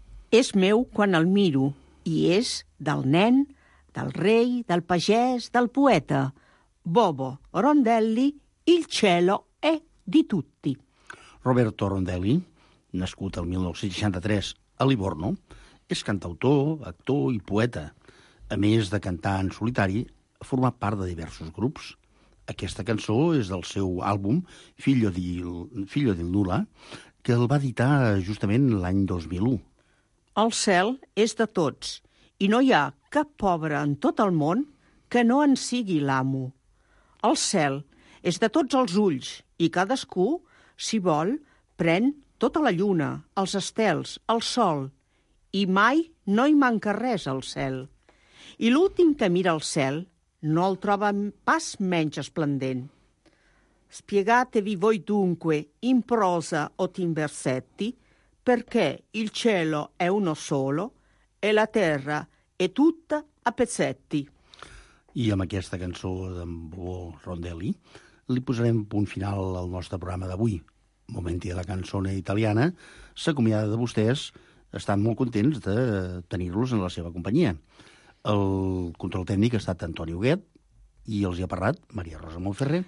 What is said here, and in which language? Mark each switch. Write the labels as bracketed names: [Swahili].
[Catalan] És meu quan el miro, i és del nen, del rei, del pagès, del poeta. [Italian] Bobo Rondelli, il cielo è di tutti. [Catalan] Roberto Rondelli, nascut el 1963 a Livorno, és cantautor, actor i poeta. A més de cantar en solitari, ha format part de diversos grups. Aquesta cançó és del seu àlbum Figlio di Lula, que el va editar justament l'any 2001. El cel és de tots, i no hi ha cap pobre en tot el món que no en sigui l'amo. El cel és de tots els ulls, i cadascú, si vol, pren tota la lluna, els estels, el sol, i mai no hi manca res al cel. I l'últim que mira el cel no el troba pas menys esplendent. [Italian] Spiegatevi voi dunque, in prosa o in versetti, perché il cielo è uno solo e la terra è tutta a pezzetti. [Catalan] I amb aquesta cançó d'en Bobo Rondelli li posarem punt final al nostre programa d'avui. Momenti della canzone italiana s'acomiada de vostès. Estan molt contents de tenir-los en la seva companyia. El control tècnic ha estat Antoni Huguet i els hi ha parlat Maria Rosa Montferrer.